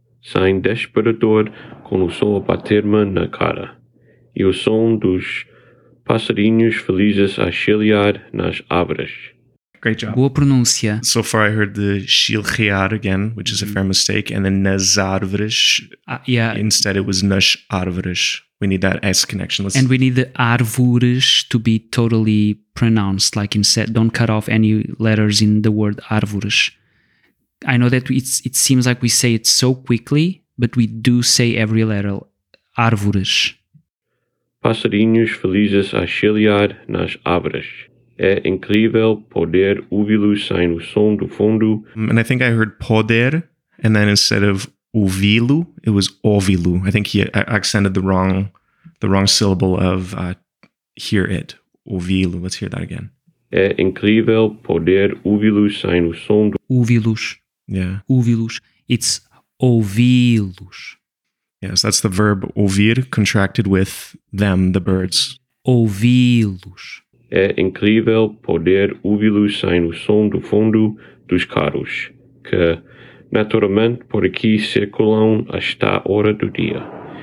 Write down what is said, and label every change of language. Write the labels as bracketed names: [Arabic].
[Portuguese] Sem despertador, com o som a bater-me na cara. E o som dos passarinhos felizes a chilrear nas árvores. [English] Great job. [Portuguese] Boa pronúncia. [English] So far I heard the chilrear again, which is a fair mistake, and then [Portuguese] nas árvores. [English] Yeah. Instead it was [Portuguese] nas árvores. [English] We need that S connection. Let's... And we need the árvores to be totally pronounced, like you said. Don't cut off any letters in the word árvores. I know that it seems like we say it so quickly, but we do say every letter, árvores. [Portuguese] Passarinhos felizes a chilrear nas árvores. É incrível poder ouvi-los sem o som do fundo. [English] And I think I heard poder, and then instead of ouvi-lo, it was ouvi-lo. I think he accented the wrong syllable of hear it, ouvi-lo. Let's hear that again. [Portuguese] É incrível poder ouvi-los sem o som do... Ouvi-los. [English] Yeah. Ouvi-los. It's ouvi-los. Yes, that's the verb ouvir contracted with them, the birds. [Portuguese] Ouvi-los. É incrível poder ouvi-los sem o som do fundo dos carros, que naturalmente por aqui circulam a esta hora do dia.